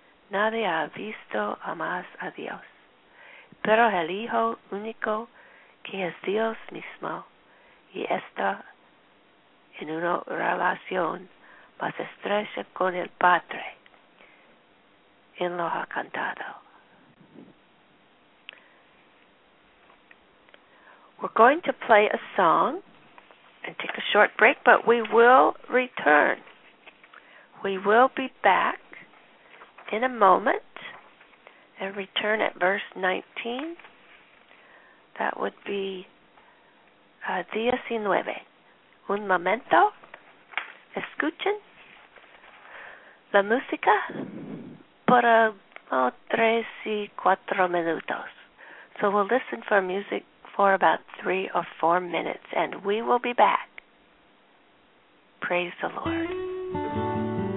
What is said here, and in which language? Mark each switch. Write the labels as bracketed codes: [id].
[es] Nadie ha visto jamás a Dios, pero el Hijo único, que es Dios mismo, y está en una relación más estrecha con el Padre, en lo ha cantado." [en] We're going to play a song and take a short break, but we will return We will be back in a moment and return at verse 19. That would be [es] Día 19. Un momento. Escuchen la música por tres y cuatro minutos. [en] So we'll listen for music for about 3 or 4 minutes, and we will be back. Praise the Lord.